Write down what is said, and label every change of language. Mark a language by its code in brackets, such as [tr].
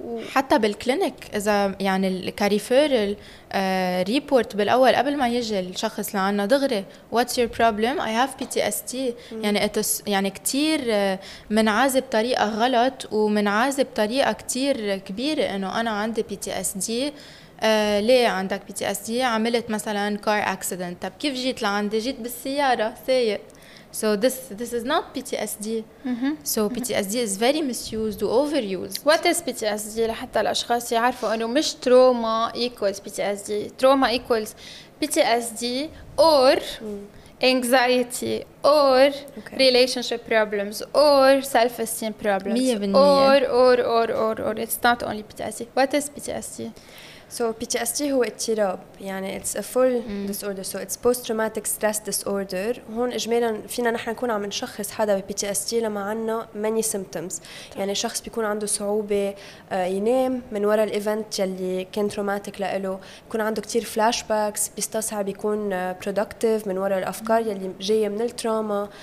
[ar] حتى بالكلينيك اذا يعني الكاريفير ريبورت بالاول قبل ما يجي الشخص لعنا دغري [en] what's your problem I have P T S D, [ar] يعني يعني كثير منعازب طريقه غلط ومنعازب طريقه كثير كبيره انه انا عندي بي تي اس دي. ليه عندك بي تي اس دي؟ عملت مثلا كار اكسيدنت. طب كيف جيت لعندي؟ جيت بالسياره سايق. [en] So this is not PTSD. Mm-hmm. So PTSD is very misused or overused. What is PTSD? [ar] لحتى الأشخاص يعرفوا إنه مش [en] trauma equals PTSD. Trauma equals PTSD or anxiety or okay. relationship problems or self-esteem problems. 100%. Or. It's not only PTSD. What is PTSD? So PTSD [ar] هو اضطراب، يعني [en] it's a full disorder. So it's post traumatic stress disorder. [ar] هون إجمالا فينا نحن نكون عم نشخص حدا ب PTSD لما عنا [en] many symptoms. [ar] يعني شخص بيكون عنده صعوبة ينام من وراء الإيفنت يلي كان traumatic لإله، يكون عنده كتير flashbacks، بيستصعب يكون productive من وراء الأفكار يلي جاية من التراما.